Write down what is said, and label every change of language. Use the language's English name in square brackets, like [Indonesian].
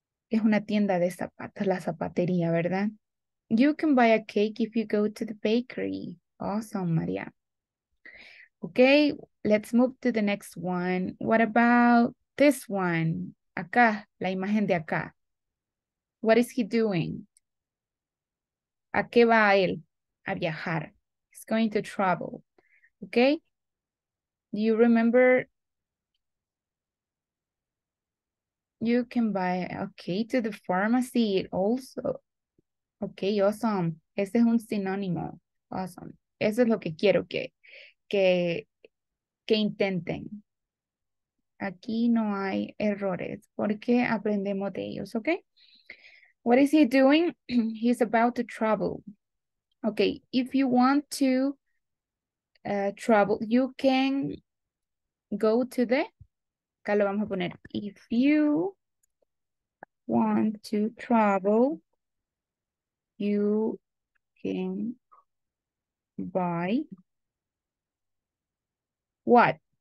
[Spanish] Es una tienda de zapatos, la zapatería, ¿verdad? [English] You can buy a cake if you go to the bakery. Awesome, María. Okay, let's move to the next one. What about this one? [Spanish] Acá, la imagen de acá. [English] What is he doing? [Spanish] ¿A qué va él? A viajar. [English] He's going to travel. Okay? Do you remember? You can buy, okay, to the pharmacy also. Okay, awesome. [Spanish] Ese es un sinónimo. Awesome. Eso es lo que quiero que intenten. Aquí no hay errores porque aprendemos de ellos, ¿ok? [English] What is he doing? He's about to travel. Okay, if you want to travel, you can go to the, [Spanish] acá lo vamos a poner, [English] if you want to travel, you can buy what?